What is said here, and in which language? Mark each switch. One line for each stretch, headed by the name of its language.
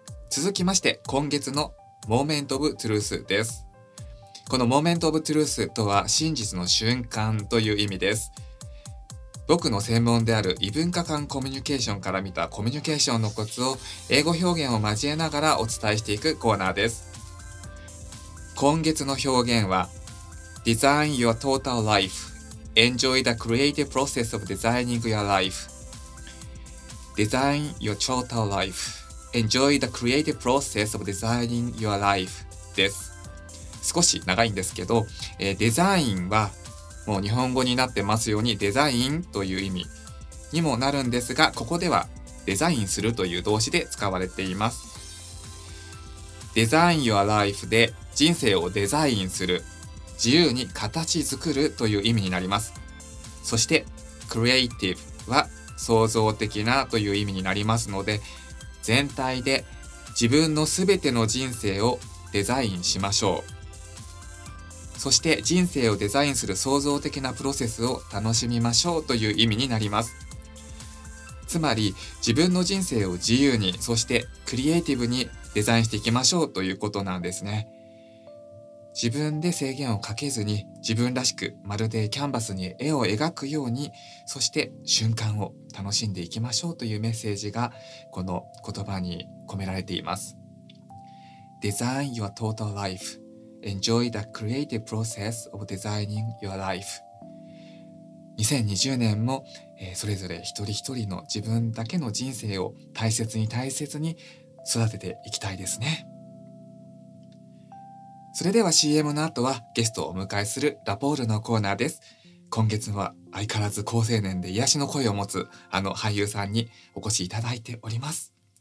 Japanese: 続きまして、今月のモーメントオブトゥルースです。このモーメントオブトゥルースとは真実の瞬間という意味です。僕の専門である異文化間コミュニケーションから見たコミュニケーションのコツを英語表現を交えながらお伝えしていくコーナーです。今月の表現は Design your total life.
English: Enjoy the creative process of designing your life. Design your total life. Enjoy the creative process of designing your life.
Japanese: です。少し長いんですけど、デザインはもう日本語になってますように、デザインという意味にもなるんですが、ここではデザインするという動詞で使われています。デザイン your life で人生をデザインする、自由に形作るという意味になります。そして creative は創造的なという意味になりますので、全体で自分のすべての人生をデザインしましょう。そして人生をデザインする創造的なプロセスを楽しみましょうという意味になります。つまり自分の人生を自由に、そしてクリエイティブにデザインしていきましょうということなんですね。自分で制限をかけずに、自分らしく、まるでキャンバスに絵を描くように、そして瞬間を楽しんでいきましょうというメッセージがこの言葉に込められています。
English: Design your total lifeEnjoy the creative process of designing your life.
Japanese: 2020年も、それぞれ一人一人の自分だけの人生を大切に大切に育てていきたいですね。それでは CM の後はゲストをお迎えするラポールのコーナーです。今月は相変わらず好青年で癒しの声を持つあの俳優さんにお越しいただいております。